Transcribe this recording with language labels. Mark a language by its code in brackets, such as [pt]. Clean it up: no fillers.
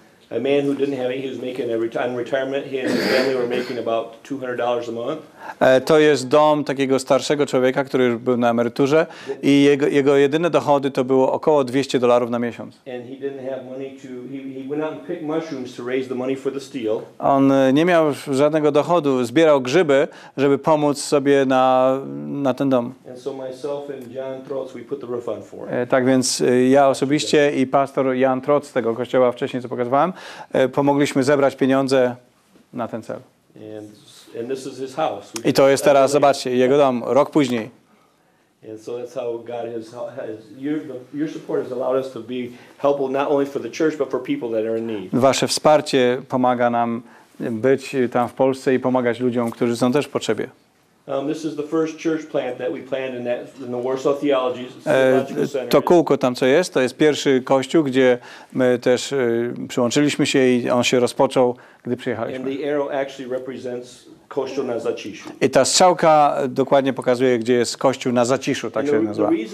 [en] A man who didn't have any, he was making on retirement, he and his family were making about $200 a month. [pl] To jest dom takiego starszego człowieka, który już był na emeryturze i jego jedyne dochody to było około $200 na miesiąc. [en] And he didn't have money to, he went out and picked mushrooms to raise the money for the steel. [pl] On nie miał żadnego dochodu, zbierał grzyby, żeby pomóc sobie na ten dom. [en] And so myself and John Trotz, we put the roof on for him. [pl] Tak więc ja osobiście i pastor Jan Trotz tego kościoła wcześniej, co pokazywałem, pomogliśmy zebrać pieniądze na ten cel. [en] And this is his house. [pl] I to jest teraz, zobaczcie, jego dom, rok później. [en] And so that's how God has your support has allowed us to be helpful not only for the church but for people that are in need. [pl] Wasze wsparcie pomaga nam być tam w Polsce i pomagać ludziom, którzy są też w potrzebie. [en] This is the first church plant that we planned in the Warsaw Theology Center. [pl] To kółko tam co jest, to jest pierwszy kościół, gdzie my też przyłączyliśmy się i on się rozpoczął, gdy przyjechaliśmy. [en] And the arrow actually represents kościół na Zaciszu. [pl] I ta strzałka dokładnie pokazuje, gdzie jest kościół na Zaciszu, tak się nazywa.